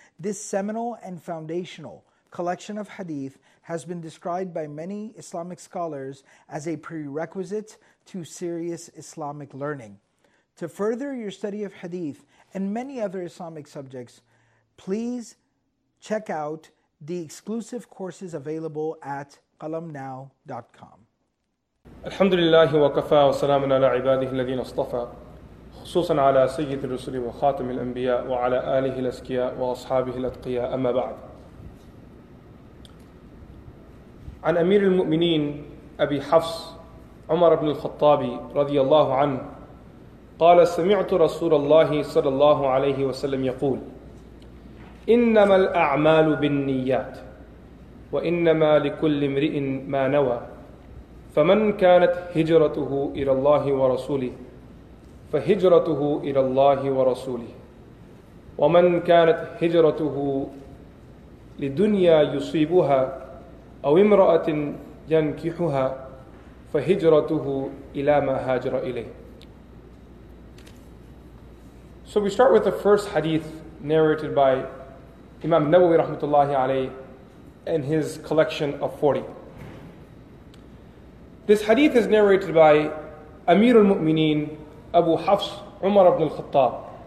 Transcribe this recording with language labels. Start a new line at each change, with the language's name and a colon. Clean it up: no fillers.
English: This seminal and foundational collection of hadith has been described by many Islamic scholars as a prerequisite to serious Islamic learning. To further your study of hadith and many other Islamic subjects, please check out the exclusive courses available at qalamnow.com.
Arabic: الحمد لله وكفى وسلام على عباده الذين اصطفى خصوصا على سيد الرسل وخاتم الأنبياء وعلى آله الأزكياء وأصحابه الأتقياء أما بعد عن أمير المؤمنين أبي حفص عمر بن الخطاب رضي الله عنه قال سمعت رسول الله صلى الله عليه وسلم يقول إنما الأعمال بالنيات وإنما لكل امرئ ما نوى فمن كانت هجرته إلى الله ورسوله فهجرته إلى الله ورسوله ومن كانت هجرته لدنيا يصيبها أو امرأة ينكحها فهجرته إلى ما هاجر إليه.
English: So we start with the first hadith narrated by Imam Nawawi rahmatullahi alayh in his collection of 40. This hadith is narrated by Amir al-Mu'mineen Abu Hafs Umar ibn al-Khattab.